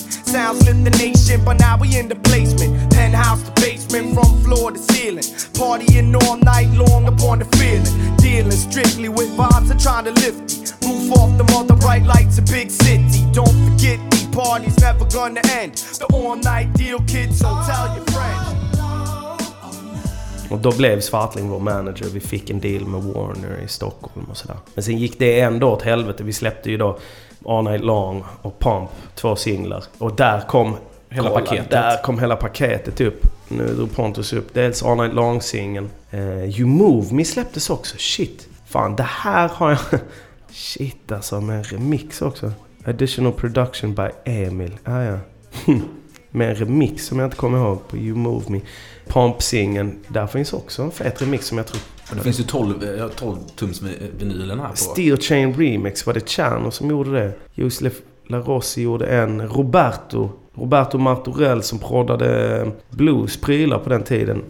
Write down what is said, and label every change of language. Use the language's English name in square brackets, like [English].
[English] Sounds lit the nation, but now we in the placement. Penthouse to basement, from floor to ceiling. Partying all night long upon the feeling. Dealing strictly with vibes and trying to lift me. Roof off the mother, bright lights, a big city. Don't forget me, party's never gonna end. The all night deal, kids, so tell your friends. [Swedish] Och då blev Swartling vår manager. Vi fick en deal med Warner i Stockholm och sådär. Men sen gick det ändå åt helvete. Vi släppte ju då All Night Long och Pump, två singlar. Och där kom hela, kolla, paketet. Där kom hela paketet upp. Nu drog Pontus upp dels All Night Long-singen. You Move, men släpptes också. Shit, fan, det här har jag... Shit, alltså, med en remix också. [English] Additional production by Emil. Ah, ja. [Swedish] Med en remix som jag inte kommer ihåg på You Move Me. Pump-singen, där finns också en fet remix som jag tror... Det finns ju 12 tums vinylen här på. Steel Chain Remix, var det Chano som gjorde det? Joseph LaRossi gjorde en. Roberto Martorell som proddade blues-prylar på den tiden.